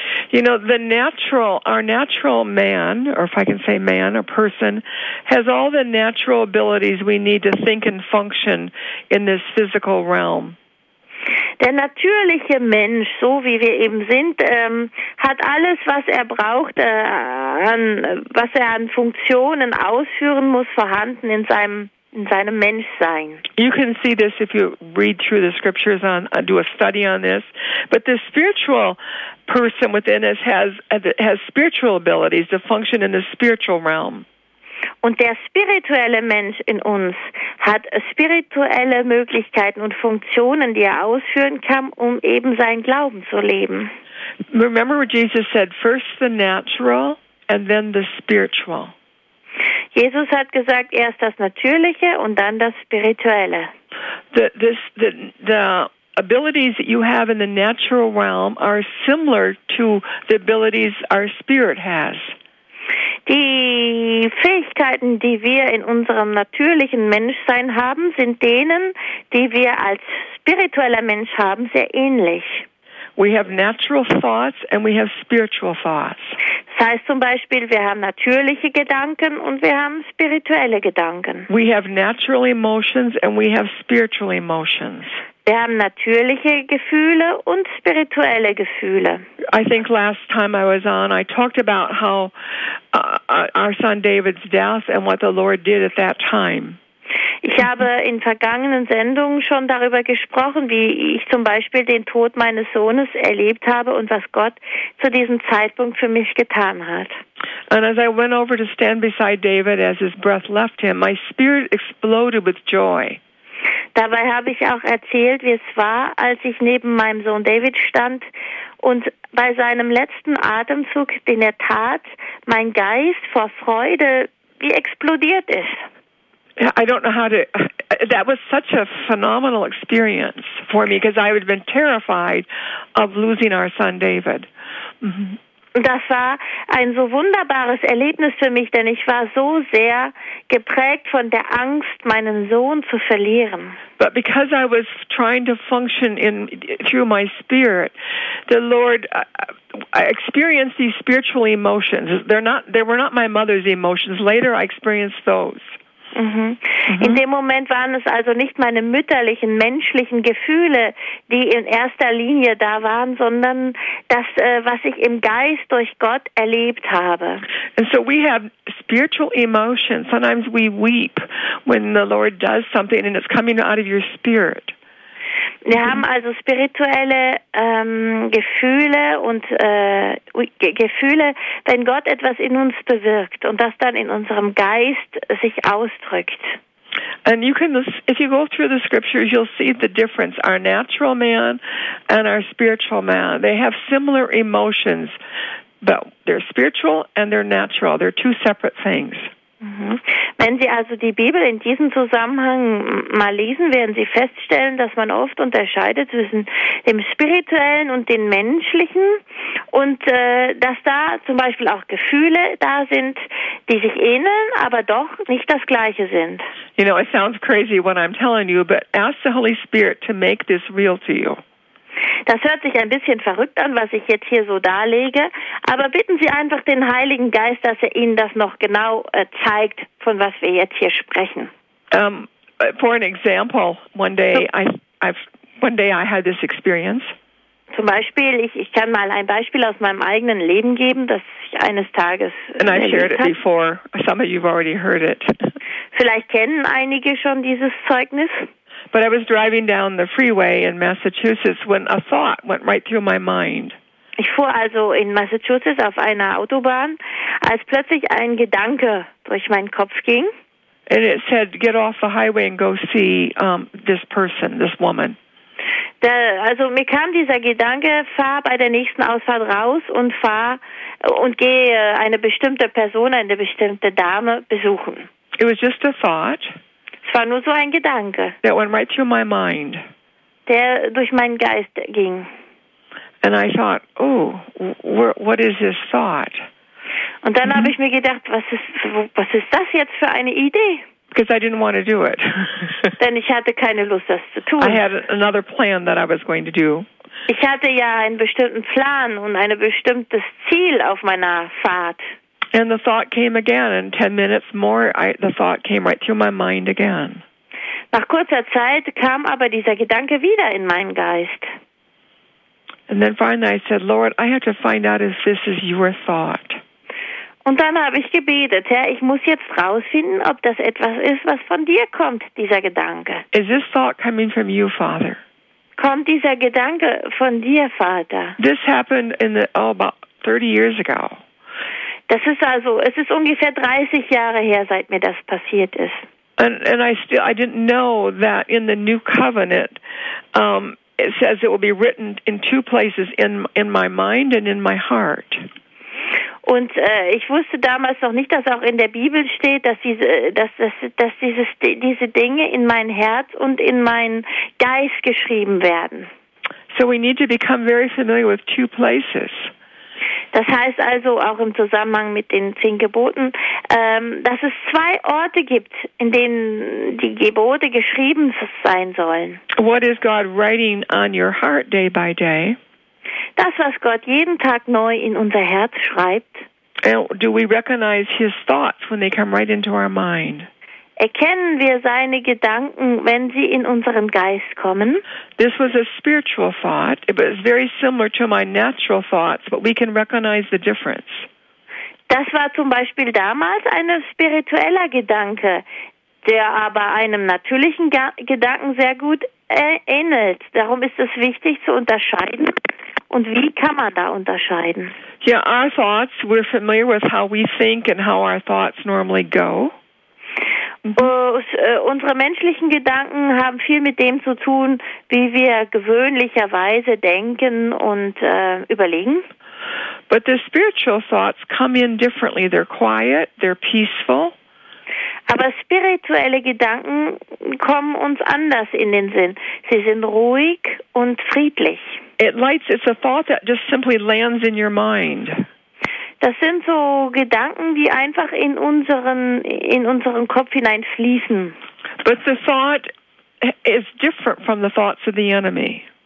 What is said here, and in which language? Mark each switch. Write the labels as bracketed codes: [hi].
[en] You know, our natural man, or if I can say man or person, has all the natural abilities we need to think and function in this physical realm. [de] Der natürliche Mensch, so wie wir eben sind, hat alles, was er braucht, was er an Funktionen ausführen muss, vorhanden in seinem Menschsein. [en] You can see this if you read through the scriptures and do a study on this. But the spiritual person within us has spiritual abilities to function in the spiritual realm. [de] Und der spirituelle Mensch in uns hat spirituelle Möglichkeiten und Funktionen, die er ausführen kann, um eben seinen Glauben zu leben. [en] Remember what Jesus said, first the natural and then the spiritual. [de] Jesus hat gesagt, erst das Natürliche und dann das Spirituelle. [en] The abilities that you have in the natural realm are similar to the abilities our spirit has. [de] Die Fähigkeiten, die wir in unserem natürlichen Menschsein haben, sind denen, die wir als spiritueller Mensch haben, sehr ähnlich. [en] We have natural thoughts and we have spiritual thoughts. [de] Das heißt zum Beispiel, wir haben natürliche Gedanken und wir haben spirituelle Gedanken. [en] We have natural emotions and we have spiritual emotions. [de] Wir haben natürliche Gefühle und spirituelle Gefühle. [en] I think last time I was on, I talked about how our son David's death and what the Lord did at that time. [de] Ich habe in vergangenen Sendungen schon darüber gesprochen, wie ich zum Beispiel den Tod meines Sohnes erlebt habe und was Gott zu diesem Zeitpunkt für mich getan hat. [en] And as I went over to stand beside David as his breath left him, my spirit exploded with joy. [de] Dabei habe ich auch erzählt, wie es war, als ich neben meinem Sohn David stand und bei seinem letzten Atemzug, den er tat, mein Geist vor Freude wie explodiert ist. [en] I don't know how to. That was such a phenomenal experience for me because I had been terrified of losing our son David. [de] Das war ein so wunderbares Erlebnis für mich, denn ich war so sehr geprägt von der Angst, meinen Sohn zu verlieren. [en] But because I was trying to function in through my spirit, the Lord, I experienced these spiritual emotions. They were not my mother's emotions. Later, I experienced those. [de] In dem Moment waren es also nicht meine mütterlichen, menschlichen Gefühle, die in erster Linie da waren, sondern das, was ich im Geist durch Gott erlebt habe. [en] And so we have spiritual emotions. Sometimes we weep when the Lord does something and it's coming out of your spirit. [de] Wir haben also spirituelle Gefühle und Gefühle, wenn Gott etwas in uns bewirkt und das dann in unserem Geist sich ausdrückt. [en] And you can, if you go through the scriptures, you'll see the difference. Our natural man and our spiritual man, they have similar emotions, but they're spiritual and they're natural. They're two separate things. [de] Wenn Sie also die Bibel in diesem Zusammenhang mal lesen, werden Sie feststellen, dass man oft unterscheidet zwischen dem Spirituellen und dem Menschlichen und dass da zum Beispiel auch Gefühle da sind, die sich ähneln, aber doch nicht das Gleiche sind. [en] You know, it sounds crazy what I'm telling you, but ask the Holy Spirit to make this real to you. [de] Das hört sich ein bisschen verrückt an, was ich jetzt hier so darlege, aber bitten Sie einfach den Heiligen Geist, dass er Ihnen das noch genau zeigt, von was wir jetzt hier sprechen. [en] For an example, one day I had this experience. [de] Zum Beispiel, ich kann mal ein Beispiel aus meinem eigenen Leben geben, das ich eines Tages erlebt habe. [en] And I shared it before. Some of you have already heard it. [de] Vielleicht kennen einige schon dieses Zeugnis. [en] But I was driving down the freeway in Massachusetts when a thought went right through my mind. [de] Ich fuhr also in Massachusetts auf einer Autobahn, als plötzlich ein Gedanke durch meinen Kopf ging. [en] And it said, get off the highway and go see this person, this woman. [de] Also mir kam dieser Gedanke, fahr bei der nächsten Ausfahrt raus und fahr und gehe eine bestimmte Person, eine bestimmte Dame besuchen. [en] It was just a thought. [de] Es war nur so ein Gedanke, [en] that went right through my mind. [de] Der durch meinen Geist ging. [en] And I thought, oh, what is this thought? [de] Und dann habe ich mir gedacht, was ist das jetzt für eine Idee? [en] Because I didn't want to do it. [de] Denn ich hatte keine Lust, das zu tun. [en] I had another plan that I was going to do. [de] Ich hatte ja einen bestimmten Plan und ein bestimmtes Ziel auf meiner Fahrt. [en] And the thought came again, and 10 minutes more, the thought came right through my mind again. [de] Nach kurzer Zeit kam aber dieser Gedanke wieder in meinen Geist. [en] And then finally I said, Lord, I have to find out if this is your thought. [de] Und dann habe ich gebetet, Herr, ich muss jetzt rausfinden, ob das etwas ist, was von dir kommt, dieser Gedanke. [en] Is this thought coming from you, Father? [de] Kommt dieser Gedanke von dir, Vater? [en] This happened about 30 years ago. [de] Das ist also, es ist ungefähr 30 Jahre her, seit mir das passiert ist. [en] And I didn't know that in the new covenant it says it will be written in two places in my mind and in my heart. [de] Und ich wusste damals noch nicht, dass auch in der Bibel steht, dass diese Dinge in mein Herz und in meinen Geist geschrieben werden. [en] So we need to become very familiar with two places. [de] Das heißt also auch im Zusammenhang mit den 10 Geboten, dass es zwei Orte gibt, in denen die Gebote geschrieben sein sollen. [en] What is God writing on your heart day by day? [de] Das, was Gott jeden Tag neu in unser Herz schreibt. [en] And do we recognize his thoughts when they come right into our mind? [de] Erkennen wir seine Gedanken, wenn sie in unseren Geist kommen? [en] This was a spiritual thought. It was very similar to my natural thoughts, but we can recognize the difference. [de] Das war zum Beispiel damals ein spiritueller Gedanke, der aber einem natürlichen Gedanken sehr gut ähnelt. Darum ist es wichtig zu unterscheiden. Und wie kann man da unterscheiden? [en] Yeah, our thoughts, we're familiar with how we think and how our thoughts normally go. [de] Unsere menschlichen Gedanken haben viel mit dem zu tun, wie wir gewöhnlicherweise denken und überlegen. [en] But the spiritual thoughts come in differently. They're quiet, they're peaceful. [de] Aber spirituelle Gedanken kommen uns anders in den Sinn. Sie sind ruhig und friedlich. [en] It's a thought that just simply lands in your mind. [de] Das sind so Gedanken, die einfach in unseren Kopf hineinfließen. [en] But the thought is different from the thoughts of the enemy.